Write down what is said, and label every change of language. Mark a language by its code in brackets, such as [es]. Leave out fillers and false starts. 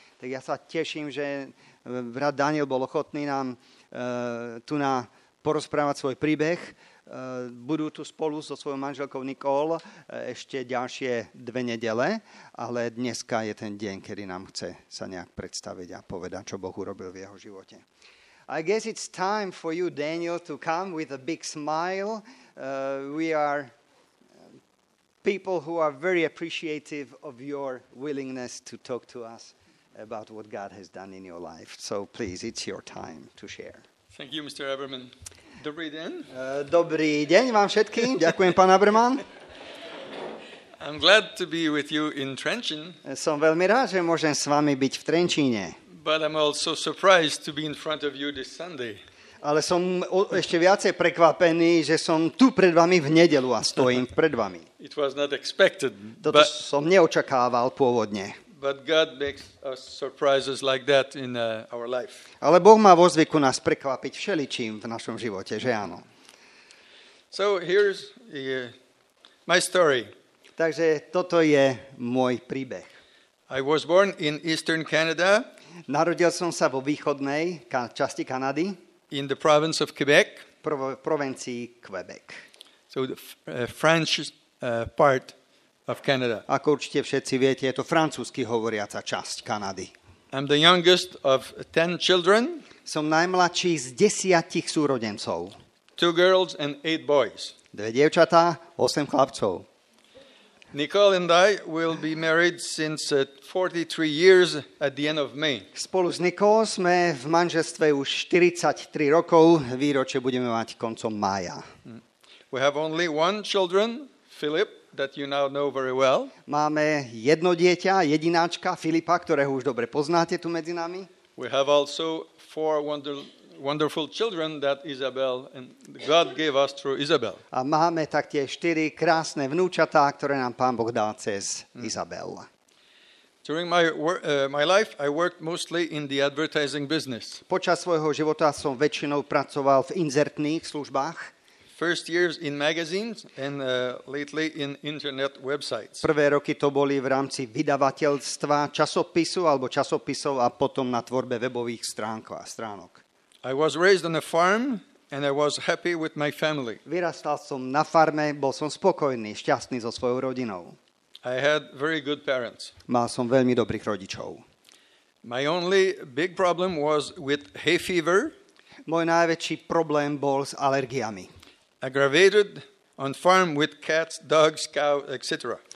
[sk] Tak ja sa teším, že brat Daniel bol ochotný nám tu na porozprávať svoj príbeh. Budú tu spolu so svojou manželkou Nicole ešte ďalšie dve nedele, ale dneska je ten deň, kedy nám chce sa nejak predstaviť a povedať, čo Boh urobil v jeho živote. [en] I guess it's time for you, Daniel, to come with a big smile. We are people who are very appreciative of your willingness to talk to us about what God has done in your life. So please, it's your time to share. Thank you, Mr. Eberman. [sk] Dobrý deň. Dobrý deň vám všetkým. Ďakujem, pán Eberman. [en] I'm glad to be with you in Trenčín. [sk] Som veľmi rád, že môžem s vami byť v Trenčíne. [en] But I'm also surprised to be in front of you this Sunday. [sk] Ale som ešte viacej prekvapený, že som tu pred vami v nedeľu a stojím pred vami. [en] It was not expected. [sk] Toto but som neočakával pôvodne. [en] But God makes us surprises like that in our life. [sk] Ale Boh má vo zvyku nás prekvapiť všeličím v našom živote, že áno. [en] So here's my story. [sk] Takže toto je môj príbeh. [en] I was born in Eastern Canada. [sk] Narodil som sa vo východnej časti Kanady. [en] In the province of Quebec. [sk] Provincii Quebec. [en] So the French part of Canada. [sk] Ako určite všetci viete, je to francúzsky hovoriaca časť Kanady. [en] I'm the youngest of 10 children. [sk] Som najmladší z 10 súrodencov. [en] Two girls and 8 boys. [sk] Dve dievčatá, 8 chlapcov. [en] Nicole and I will be married since 43 years at the end of May. [sk] Spolu s Nicole sme v manželstve už 43 rokov, výročie budeme mať koncom mája. [en] We have only one children, Philip, that you now know very well. [sk] Máme jedno dieťa, jedináčka Filipa, ktorého už dobre poznáte tu medzi nami. [en] We have also four wonderful children that Isabel and God gave us through Isabel. [sk] A máme taktiež 4 krásne vnúčatá, ktoré nám Pán Boh dal cez Isabel. [en] During my life I worked mostly in the advertising business. [sk] Počas svojho života som väčšinou pracoval v inzertných službách. [en] First years in magazines and lately in internet websites. [sk] Prvé roky to boli v rámci vydavateľstva časopisu alebo časopisov a potom na tvorbe webových stránok. [en] I was raised on a farm and I was happy with my family. [sk] Vyrastal som na farme, bol som spokojný, šťastný so svojou rodinou. [en] I had very good parents. [sk] Mal som veľmi dobrých rodičov. [en] My only big problem was with hay fever. [sk] Môj najväčší problém bol s alergiami. [en] Aggravated on farm with cats, dogs, cows, etc.